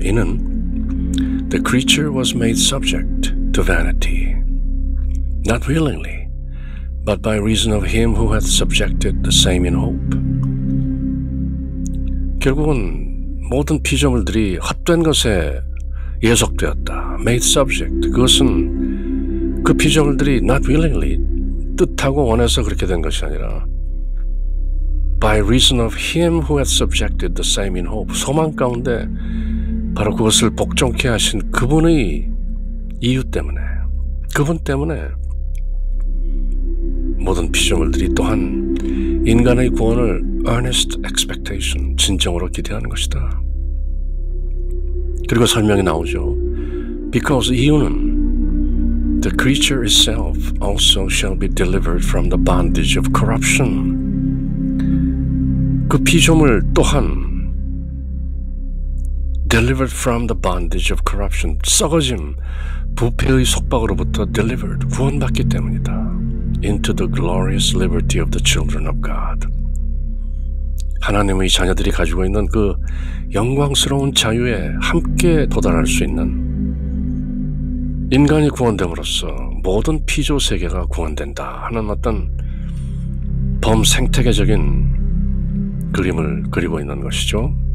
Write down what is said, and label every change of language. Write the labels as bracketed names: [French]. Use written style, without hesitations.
[Korean] 이는 [English] The creature was made subject to vanity, not willingly, but by reason of him who hath subjected the same in hope. [Korean] 결국은 모든 피조물들이 헛된 것에 예속되었다. [English] Made subject. [Korean] 그것은 그 피조물들이 [English] not willingly, [Korean] 뜻하고 원해서 그렇게 된 것이 아니라 [English] by reason of him who hath subjected the same in hope. [Korean] 소망 가운데 바로 그것을 복종케 하신 그분의 이유 때문에, 그분 때문에 모든 피조물들이 또한 인간의 구원을 [English] earnest expectation, [Korean] 진정으로 기대하는 것이다. 그리고 설명이 나오죠. [English] Because [Korean] 이유는 [English] The creature itself also shall be delivered from the bondage of corruption. [Korean] 그 피조물 또한 [English] delivered from the bondage of corruption, [Korean] 썩어짐, 부패의 속박으로부터 [English] delivered, [Korean] 구원받기 때문이다. [English] into the glorious liberty of the children of God. [Korean] 하나님의 자녀들이 가지고 있는 그 영광스러운 자유에 함께 도달할 수 있는 인간이 구원됨으로써 모든 피조 세계가 구원된다 하는 어떤 범생태계적인 그림을 그리고 있는 것이죠.